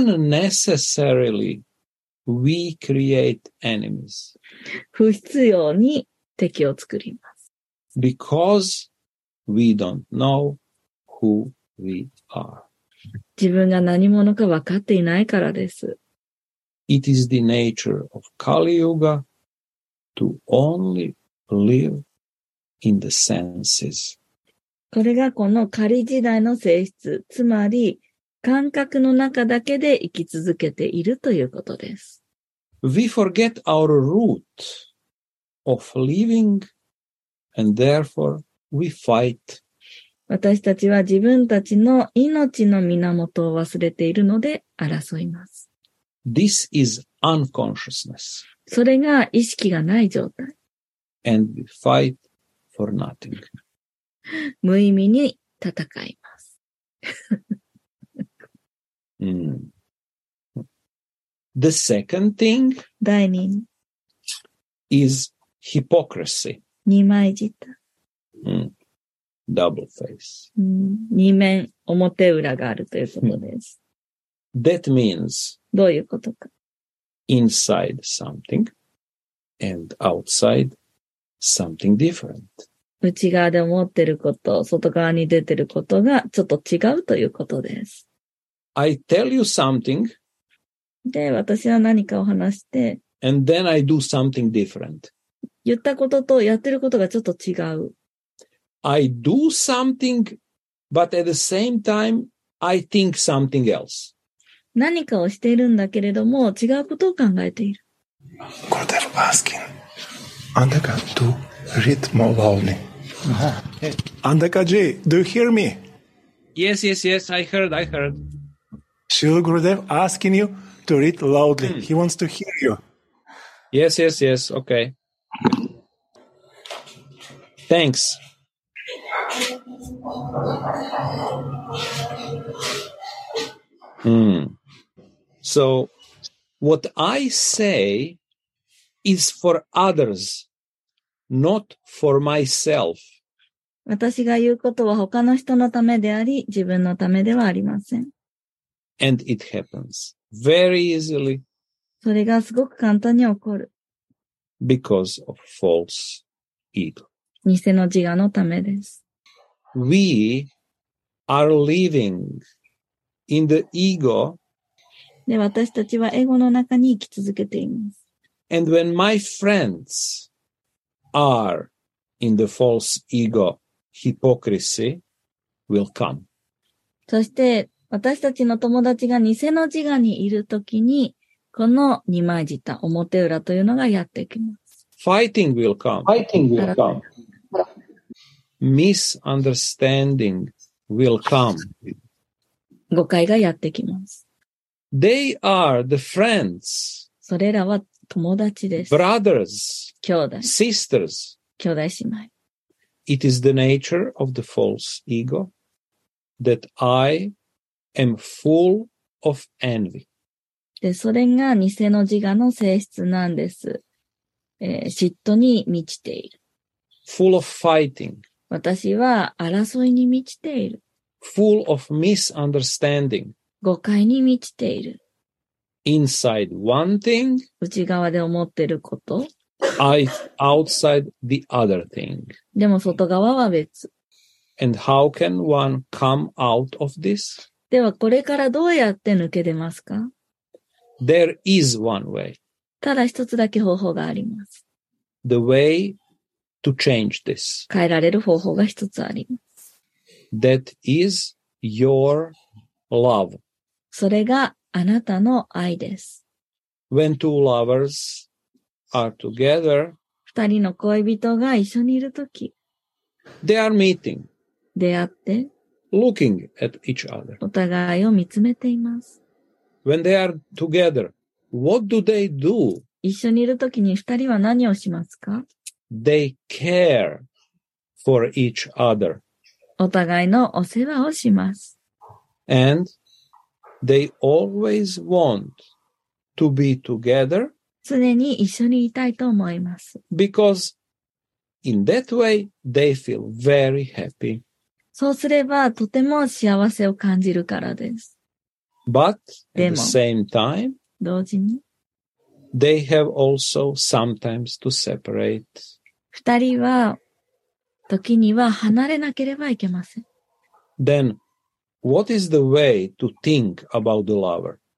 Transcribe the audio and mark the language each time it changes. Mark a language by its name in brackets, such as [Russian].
[English] Unnecessarily, we create enemies. [Japanese] 不必要に敵を作ります。 [English] Because we don't know who we are. [Japanese] 自分が何者か分かっていないからです。 [English] It is the nature of Kali Yuga to only live in the senses. [Japanese] これがこのカリ時代の性質、つまり感覚の中だけで生き続けているということです。 [English] We forget our root of living and therefore we fight. [Japanese] 私たちは自分たちの命の源を忘れているので争います。 [English] This is unconsciousness. [Japanese] それが意識がない状態。 [English] And we fight for nothing. [Japanese] 無意味に戦います。 [English] The second thing [Japanese] 第二 [English] is hypocrisy. [Japanese] 二枚舌。 [English] Double face. [Japanese] 二面表裏があるということです。 [English] That means [Japanese] どういうことか? [English] Inside something and outside something different. [Japanese] 内側で思ってること、外側に出てることがちょっと違うということです。 [English] I tell you something. [Japanese] で、私は何かを話して。 [English] And then I do something different. [Japanese] 言ったこととやってることがちょっと違う。 [English] I do something, but at the same time, I think something else. [Japanese] 何かをしているんだけれども、違うことを考えている。 [English] Gurudev asking, Andaka, do read more loudly. Andaka ji, do you hear me? Yes, yes, yes, I heard. Srila Gurudev asking you to read loudly. He wants to hear you. Yes, yes, yes, okay. Thanks. So, what I say is for others, not for myself. [Japanese] 私が言うことは他の人のためであり、自分のためではありません。 [English] And it happens very easily. [Japanese] それがすごく簡単に起こる。 [English] because of false ego. [Japanese] 偽の自我のためです。 [English] We are living in the ego. [Japanese] で、私たちはエゴの中に生き続けています。 [English] And when my friends are in the false ego, hypocrisy will come. [Japanese] そして、私たちの友達が偽の自我にいるときに、この二枚舌、表裏というのがやってきます。 [English] Fighting will come. Fighting will come. Misunderstanding will come. [Japanese] 誤解がやってきます。 [English] They are the friends. [Japanese] それらは友達です。 [English] Brothers. [Japanese] 兄弟。 [English] Sisters. [Japanese] 兄弟姉妹。 [English] It is the nature of the false ego that I am full of envy. [Japanese] で、それが偽の自我の性質なんです。嫉妬に満ちている。 [English] Full of fighting. [Japanese] 私は争いに満ちている。 [English] Full of misunderstanding. [Japanese] 誤解に満ちている。 [English] Inside one thing. [Japanese] 内側で思ってること。 [English] I outside the other thing. [Japanese] でも外側は別。 [English] And how can one come out of this? [Japanese] ではこれからどうやって抜け出ますか? [English] There is one way. [Japanese] ただ一つだけ方法があります。 [English] The way to change this. [Japanese] 変えられる方法が一つあります。 [English] That is your love. [Japanese] それがあなたの愛です。 [English] When two lovers are together, [Japanese] 二人の恋人が一緒にいるとき、 [English] They are meeting. [Japanese] 出会って、 [English] Looking at each other. [Japanese] お互いを見つめています。 [English] When they are together, what do they do? [Japanese] 一緒にいるときに二人は何をしますか? [English] They care for each other. [Japanese] お互いのお世話をします。 [English] And they always want to be together. [Japanese] 常に一緒にいたいと思います。 [English] Because in that way, they feel very happy. [Japanese] そうすればとても幸せを感じるからです。 [English] But at the same time, [Japanese] 同時に、 [English] they have also sometimes to separate. [Japanese] 二人は時には離れなければいけません。 [English] Then, what is the way to think about the lover?